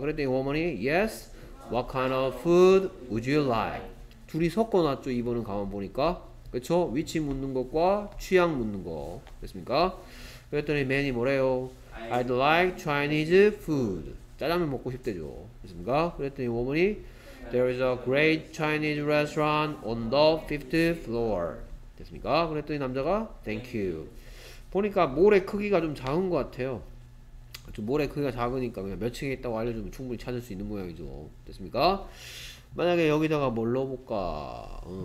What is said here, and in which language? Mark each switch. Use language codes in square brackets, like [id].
[ko] 그랬더니 [en] woman이 yes, what kind of food would you like? [ko] 둘이 섞어놨죠, 이번은 가만 보니까. 그쵸? 위치 묻는 것과 취향 묻는 거. 됐습니까? 그랬더니 man이 뭐래요? [en] I'd like Chinese food. [ko] 짜장면 먹고 싶대죠. 됐습니까? 그랬더니 [en] woman이 there is a great Chinese restaurant on the 5th floor. [ko] 됐습니까? 그랬더니 남자가 [en] thank you. [ko] 보니까 모래 크기가 좀 작은 것 같아요. 모래 크기가 작으니까 그냥 몇 층에 있다고 알려주면 충분히 찾을 수 있는 모양이죠. 됐습니까? 만약에 여기다가 뭘 넣어볼까?